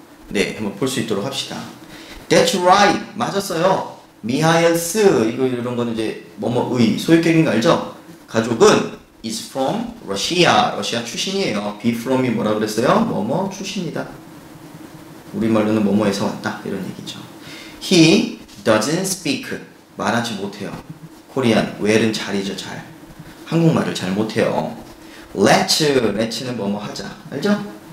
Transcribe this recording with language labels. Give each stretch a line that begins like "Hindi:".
Korean: 네, 한번 볼 수 있도록 합시다.
English: That's right.
Korean: 맞았어요.
English: 미하엘스.
Korean: 이거 이런 거는 이제 뭐뭐의 소유격인 거 알죠? 가족은
English: is from Russia.
Korean: 러시아 출신이에요. be from이 뭐라 그랬어요? 뭐뭐 출신이다. 우리말로는 뭐뭐에서 왔다. 이런 얘기죠.
English: He doesn't speak.
Korean: 말하지 못해요. 코리안. 웰은 잘이죠. 잘. 한국말을 잘 못해요. Let's는 뭐뭐 하자. 알죠?